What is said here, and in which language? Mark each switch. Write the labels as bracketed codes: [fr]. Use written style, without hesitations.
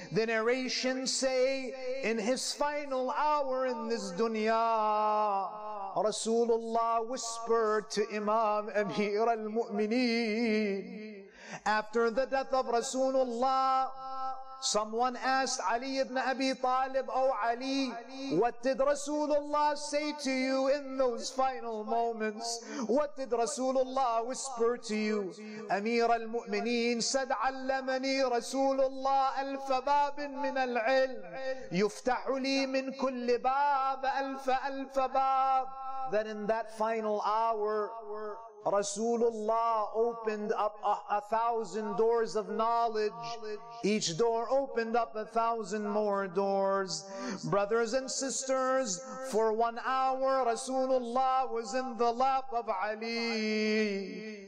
[en] The narrations say, in his final hour in this dunya, Rasulullah whispered to Imam Amir al-Mu'mineen. After the death of Rasulullah, someone asked Ali ibn Abi Talib, O Ali, what did Rasulullah say to you in those final moments? What did Rasulullah whisper to you? [ar] Amir al-Mu'mineen said, عَلَّمَنِي رَسُولُ اللَّهِ أَلْفَ بَابٍ مِّنَ الْعِلْمِ يُفْتَحُ لِي مِن كُلِّ بَابٍ أَلْفَ أَلْفَ بَابٍ. [en] Then in that final hour, Rasulullah opened up 1,000 doors of knowledge. Each door opened up 1,000 more doors. Brothers and sisters, for 1 hour, Rasulullah was in the lap of Ali.